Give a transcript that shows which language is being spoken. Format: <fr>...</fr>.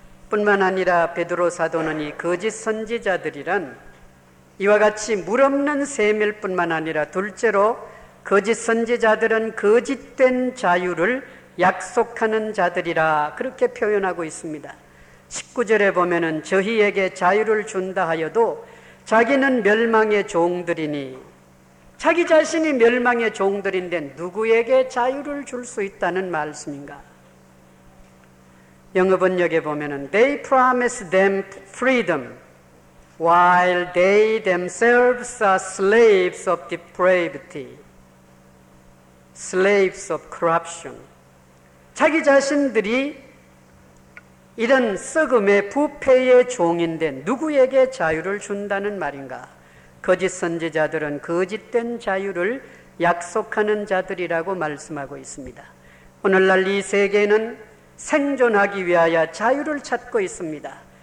<ko>뿐만 아니라 베드로 사도는 이 거짓 선지자들이란 이와 같이 물 없는 셈일 뿐만 아니라 둘째로 거짓 선지자들은 거짓된 자유를 약속하는 자들이라 그렇게 표현하고 있습니다. 19절에 보면은 저희에게 자유를 준다 하여도 자기는 멸망의 종들이니, 자기 자신이 멸망의 종들인데 누구에게 자유를 줄 수 있다는 말씀인가? 영어 번역에 보면은</ko> <en>They promise them freedom while they themselves are slaves of depravity, slaves of corruption.</en> <ko>자기 자신들이 이런 썩음의 부패의 종인데 누구에게 자유를 준다는 말인가? 거짓 선지자들은 거짓된 자유를 약속하는 자들이라고 말씀하고 있습니다. 오늘날 이 세계는 생존하기 위하여 자유를 찾고 있습니다.</ko>